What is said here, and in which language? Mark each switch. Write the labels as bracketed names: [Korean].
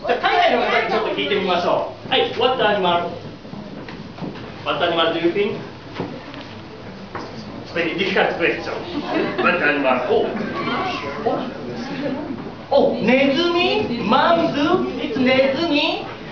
[Japanese] じゃあ海外の方にちょっと聞いてみましょう。 [English] はい、What animal? What animal do you think? Very difficult question. What animal? おネズミ、マンズ、いつネズミ、